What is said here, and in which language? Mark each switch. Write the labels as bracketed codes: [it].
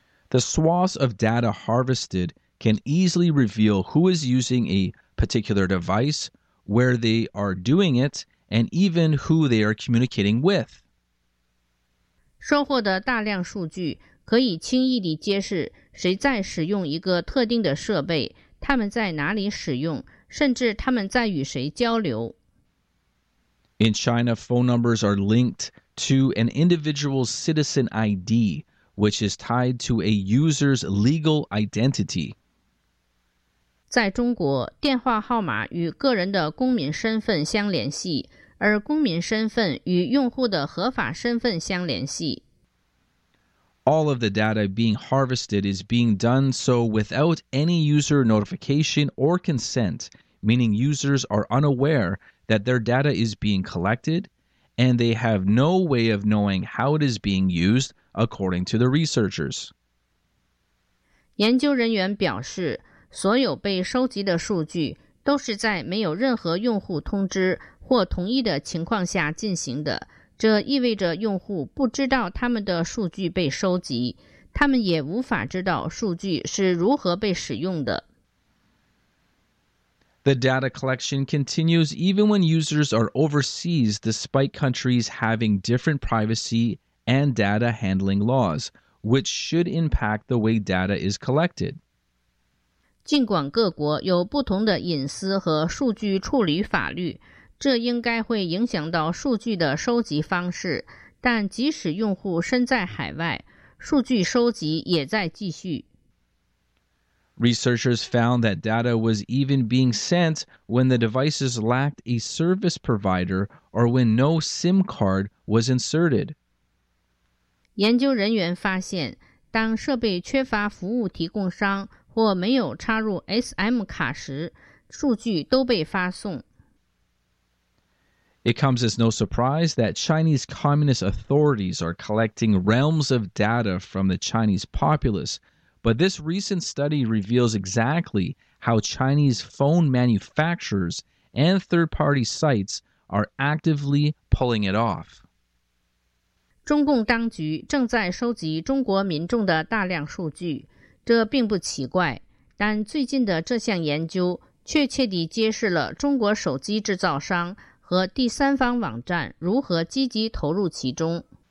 [en] The swaths of data harvested. Can easily reveal who is using a particular device, where they are doing it, and even who they are communicating with. [zh] 收获的大量数据可以轻易地揭示谁在使用一个特定的设备，他们在哪里使用，甚至他们在与谁交流。 [en] In China, phone numbers are linked to an individual's citizen ID, which is tied to a user's legal identity. [zh] 在中国，电话号码与个人的公民身份相联系，而公民身份与用户的合法身份相联系。 [en] All of the data being harvested is being done so without any user notification or consent, meaning users are unaware that their data is being collected, and they have no way of knowing how it is being used, according to the researchers. [zh] 研究人员表示，所有被收集的数据都是在没有任何用户通知或同意的情况下进行的，这意味着用户不知道他们的数据被收集，他们也无法知道数据是如何被使用的。 [en] The data collection continues even when users are overseas, despite countries having different privacy and data handling laws, which should impact the way data is collected. [zh] 尽管各国有不同的隐私和数据处理法律，这应该会影响到数据的收集方式，但即使用户身在海外，数据收集也在继续。 [en] Researchers found that data was even being sent when the devices lacked a service provider or when no SIM card was inserted. [zh] 研究人员发现，当设备缺乏服务提供商或没有插入 SIM 卡时，数据都被发送。 [en] It comes as no surprise that Chinese communist authorities are collecting realms of data from the Chinese populace, but this recent study reveals exactly how Chinese phone manufacturers and third-party sites are actively pulling it off. [zh] 中共当局正在收集中国民众的大量数据。这并不奇怪，但最近的这项研究确切地揭示了中国手机制造商和第三方网站如何积极投入其中。